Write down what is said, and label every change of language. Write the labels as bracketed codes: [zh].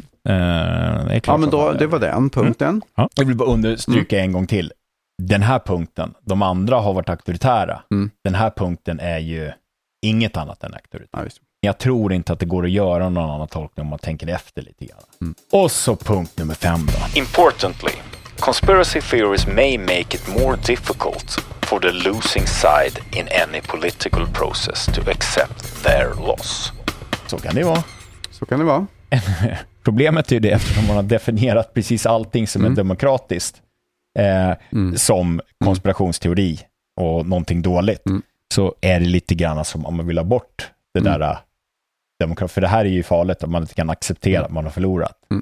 [sv] Det är klart men då, det var den punkten. Jag vill bara understryka en gång till. Den här punkten, de andra har varit auktoritära. Den här punkten är ju inget annat än auktoritet. Jag tror inte att det går att göra någon annan tolkning om man tänker efter lite grann. Och så punkt nummer 5 då. [en] Importantly, conspiracy theories may make it more difficult for the losing side in any political process to accept their loss. [sv] Så kan det vara. Så kan det vara. Problemet är ju det eftersom man har definierat precis allting som är demokratiskt som konspirationsteori och någonting dåligt. Så är det lite grann som om man vill ha bort det där demokrati. För det här är ju farligt om man inte kan acceptera att man har förlorat.